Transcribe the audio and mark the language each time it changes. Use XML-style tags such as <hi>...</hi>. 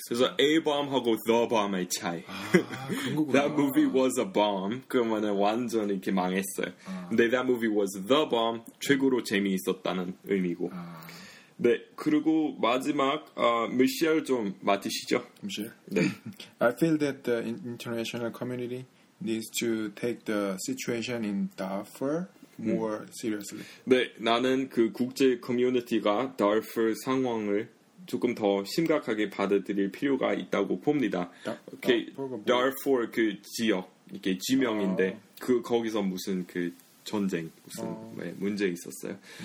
<ko>그래서 a bomb하고 the bomb의 차이 아 그런 거구나</ko> <en>that movie was a bomb</en> <ko>그러면은 완전히 이렇게 망했어요 아. 근데</ko> <en>that movie was the bomb</en> <ko>최고로 재미있었다는 의미고 아 네, 그리고 마지막 미셸 좀 맡으시죠. 미셸. 네.</ko> <en>I feel that the international community needs to take the situation in Darfur more seriously.</en> <ko>네, 나는 그 국제 커뮤니티가 다르푸르 상황을 조금 더 심각하게 받아들일 필요가 있다고 봅니다. 다르푸르 그 지역 이게 지명인데 그 거기서 무슨 그 전쟁 무슨 네, 문제 있었어요.</ko>